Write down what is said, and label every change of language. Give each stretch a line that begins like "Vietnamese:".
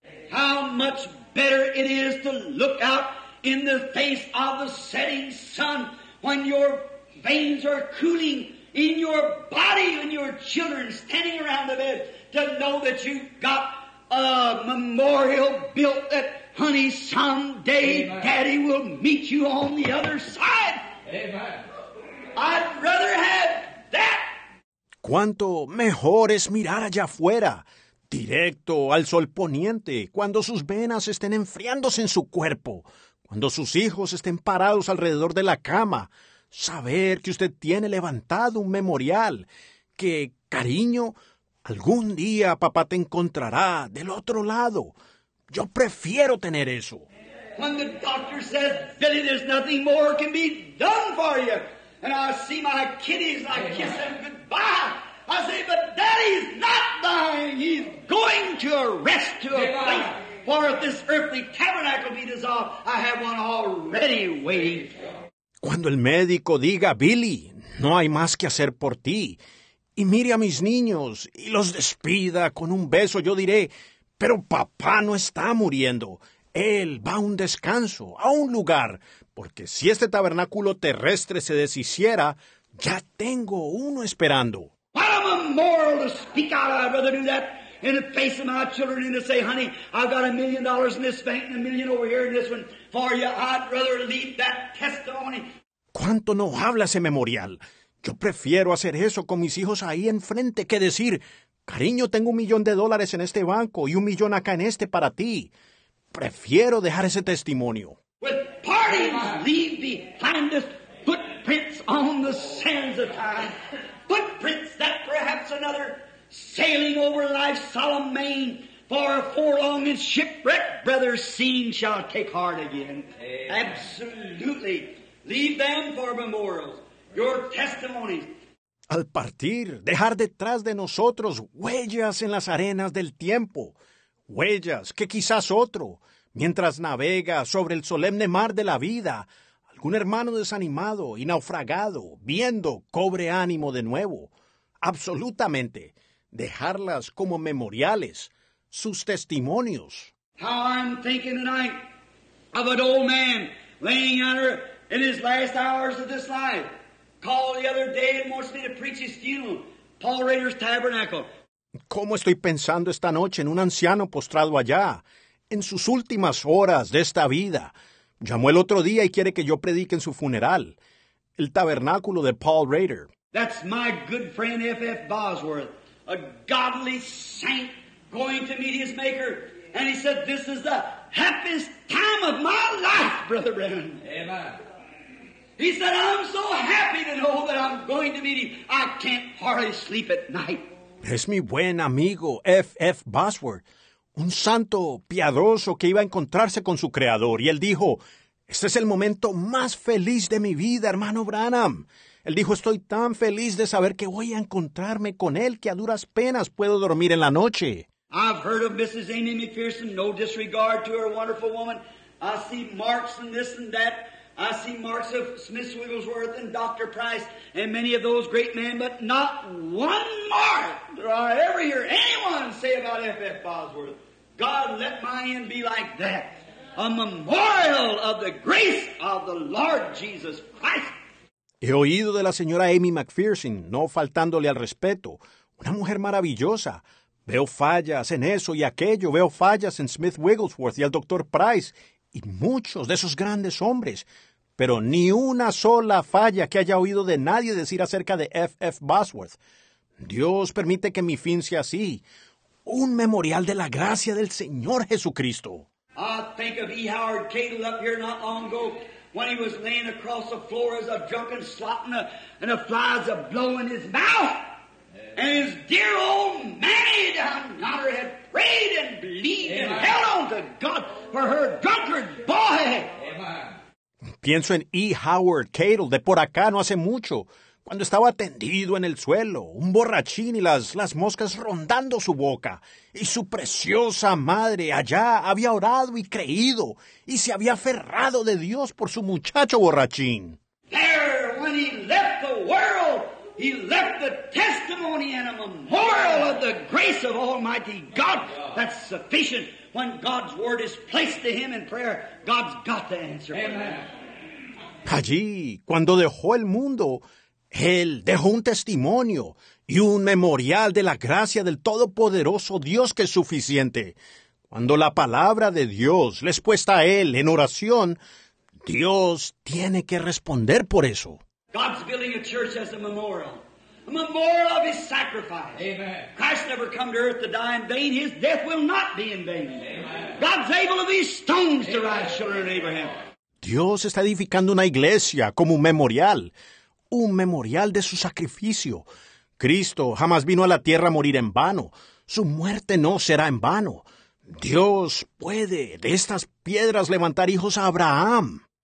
English: How much better it is to look out in the face of the setting sun when your veins are cooling in your body and your children standing around the bed to know that you've got a memorial built that, honey, someday Amen. Daddy will meet you on the other side. Amen. I'd rather have that.
Spanish: ¿Cuánto mejor es mirar allá afuera? Directo al sol poniente, cuando sus venas estén enfriándose en su cuerpo, cuando sus hijos estén parados alrededor de la cama, saber que usted tiene levantado un memorial, que, cariño, algún día papá te encontrará del otro lado. Yo prefiero tener eso. Cuando el doctor dice,
English: Billy, there's nothing more can be done for you, and I see my kiddies, I kiss them goodbye. I say, but Daddy's not dying. He's going to a rest, to a place. For if this earthly tabernacle be dissolved, I have one already waiting.
Spanish: Cuando el médico diga, Billy, no hay más que hacer por ti, y mire a mis niños y los despida con un beso, yo diré, pero papá no está muriendo. Él va a un descanso, a un lugar, porque si este tabernáculo terrestre se deshiciera, ya tengo uno esperando.
English: What a memorial to speak out. I'd rather do that in the face of my children and to say, honey, I've got $1,000,000 in this bank and $1,000,000 over here in this one for you. I'd rather leave that testimony.
Spanish: ¿Cuánto no habla ese memorial? Yo prefiero hacer eso con mis hijos ahí enfrente que decir, cariño, tengo $1,000,000 en este banco y $1,000,000 acá en este para ti. Prefiero dejar ese testimonio.
English: With parties, leave behind us footprints on the sands of time. Footprints that perhaps another sailing over life's solemn main for a forlorn and shipwrecked brother seen shall take heart again. Amen. Absolutely. Leave them for memorials. Your testimonies.
Spanish: Al partir, dejar detrás de nosotros huellas en las arenas del tiempo. Huellas que quizás otro, mientras navega sobre el solemne mar de la vida, algún hermano desanimado y naufragado, viendo, cobre ánimo de nuevo. Absolutamente. Dejarlas como memoriales. sus testimonios.
English: How I'm thinking tonight of an old man laying under in his last hours of this life. Called the other day and wants me to preach his funeral. Paul Rader's Tabernacle.
Spanish: ¿Cómo estoy pensando esta noche en un anciano postrado allá, en sus últimas horas de esta vida? Llamó el otro día y quiere que yo predique en su funeral, el tabernáculo de Paul Rader.
English: That's my good friend F.F. Bosworth, a godly saint going to meet his maker. And he said, this is the happiest time of my life, Brother Brennan. Amen. He said, I'm so happy to know that I'm going to meet him. I can't hardly sleep at night.
Spanish: Es mi buen amigo F.F. Bosworth, un santo piadoso que iba a encontrarse con su creador. Y él dijo, este es el momento más feliz de mi vida, hermano Branham. Él dijo, estoy tan feliz de saber que voy a encontrarme con él que a duras penas puedo dormir en la noche.
English: I've heard of Mrs. Amy McPherson, no disregard to her wonderful woman. I see marks and this and that. I see marks of Smith Wigglesworth and Dr. Price and many of those great men, but not one mark do I ever hear anyone say about F.F. Bosworth. God, let my end be like that. A memorial of the grace of the Lord Jesus Christ.
Spanish: He oído de la señora Amy McPherson, no faltándole al respeto, una mujer maravillosa. Veo fallas en eso y aquello. Veo fallas en Smith Wigglesworth y al Dr. Price. Y muchos de esos grandes hombres, pero ni una sola falla que haya oído de nadie decir acerca de F.F. Bosworth. Dios permite que mi fin sea así, un memorial de la gracia del Señor Jesucristo.
English: I think of E. Howard Cadle up here not long ago, when he was laying across the floor as a drunken slut and a fly's a blowing his mouth. And his dear old Manny down yonder had prayed and believed. Amen. And held on to God for her drunkard boy. Amen.
Spanish: Pienso en E. Howard Cadle de por acá no hace mucho, cuando estaba tendido en el suelo, un borrachín y las moscas rondando su boca. Y su preciosa madre allá había orado y creído y se había aferrado de Dios por su muchacho borrachín.
English: There, when he left the world, he left the testimony and a memorial of the grace of Almighty God. That's sufficient. When God's word is placed to him in prayer, God's got the answer. Amen.
Spanish: Allí, cuando dejó el mundo, él dejó un testimonio y un memorial de la gracia del Todopoderoso Dios que es suficiente. Cuando la palabra de Dios le es puesta a él en oración, Dios tiene que responder por eso.
English: God's building a church as a memorial of his sacrifice. Amen. Christ never come to earth to die in vain. His death will not be in vain. Amen. God's able of these stones to rise children of Abraham.
Spanish: Dios está edificando una iglesia como un memorial de su sacrificio. Cristo jamás vino a la tierra a morir en vano. Su muerte no será en vano. Dios puede de estas piedras levantar hijos a Abraham.